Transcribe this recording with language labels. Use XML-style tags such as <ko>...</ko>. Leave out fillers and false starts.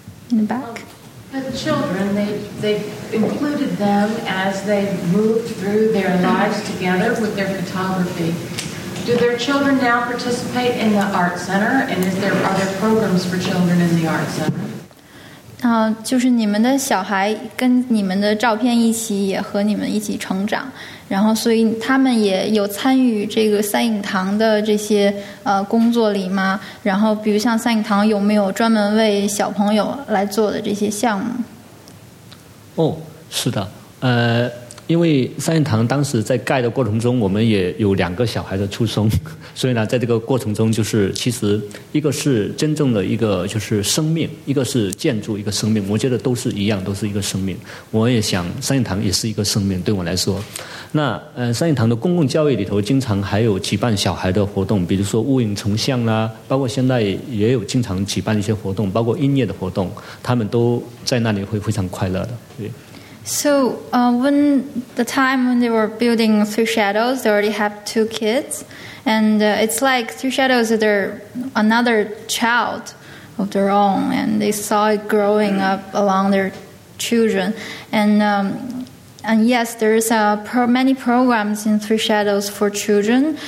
<en>In the back? The children, they included them as they moved through their lives together with their photography. Do their children now participate in the art center? And are there programs for children in the art center?</en> <zh>就是你们的小孩跟你们的照片一起，也和你们一起成长，然后所以他们也有参与这个三影堂的这些工作里吗？然后比如像三影堂有没有专门为小朋友来做的这些项目？哦，是的，因为三院堂当时在盖的过程中，我们也有两个小孩的出生，所以呢，在这个过程中，就是其实一个是真正的一个就是生命，一个是建筑，一个生命，我觉得都是一样，都是一个生命。我也想三院堂也是一个生命，对我来说。那三院堂的公共教育里头，经常还有举办小孩的活动，比如说物影成像啦，包括现在也有经常举办一些活动，包括音乐的活动，他们都在那里会非常快乐的，对。</zh> <en>So when the time when they were building Three Shadows, they already have two kids. And it's like Three Shadows, they're another child of their own. And they saw it growing up along their children. And yes, there's many programs in Three Shadows for children.</en>